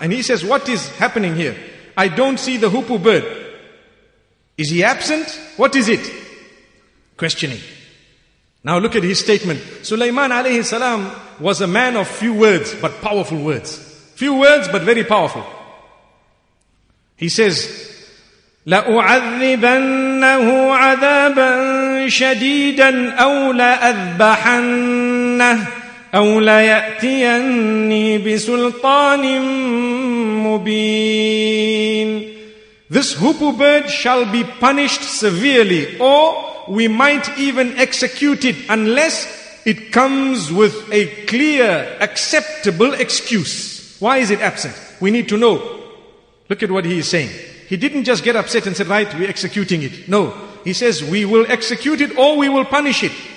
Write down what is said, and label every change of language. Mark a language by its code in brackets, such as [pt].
[en] And he says, what is happening here? I don't see the hoopoe bird. Is he absent? What is it? Questioning. Now look at his statement. Sulaiman alayhi salam was a man of few words, but powerful words. Few words, but very powerful. He says, [ar] لَأُعَذِّبَنَّهُ عَذَابًا شَدِيدًا أَوْ لَأَذْبَحَنَّهُ أَوْ لَيَأْتِيَنِّي بِسُلْطَانٍ مُبِينٍ. [en] This hoopoe bird shall be punished severely, or we might even execute it unless it comes with a clear, acceptable excuse. Why is it absent? We need to know. Look at what he is saying. He didn't just get upset and said, right, we're executing it. No. He says, we will execute it or we will punish it.